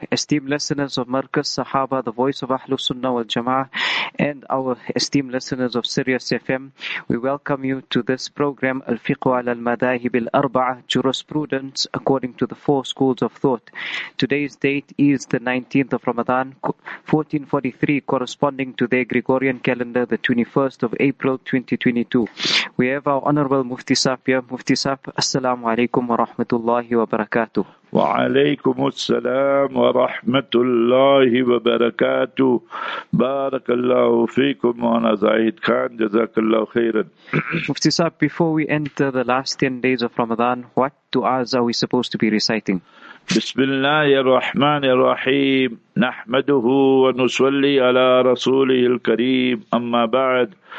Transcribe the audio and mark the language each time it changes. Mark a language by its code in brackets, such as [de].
[en] Esteemed listeners of Marcus Sahaba, the voice of Ahlus Sunnah wal Jamaah, and our esteemed listeners of Sirius FM, we welcome you to this program, Al-Fiqhu ala al-Madahib al-Arba'ah, Jurisprudence according to the four schools of thought. Today's date is the 19th of Ramadan, 1443, corresponding to the Gregorian calendar, the 21st of April, 2022. We have our Honorable Mufti Safia. [ar] Mufti Saf, Assalamu alaikum wa rahmatullahi wa barakatuh. وعليكم السلام ورحمة الله وبركاته بارك الله فيكم وانا زايد خان جزاك الله خيرا مفتي صاحب, [en] before we enter the last 10 days of Ramadan, what du'as are we supposed to be reciting? [ar] بسم الله الرحمن الرحيم نحمده ونصلي على رسوله الكريم أما بعد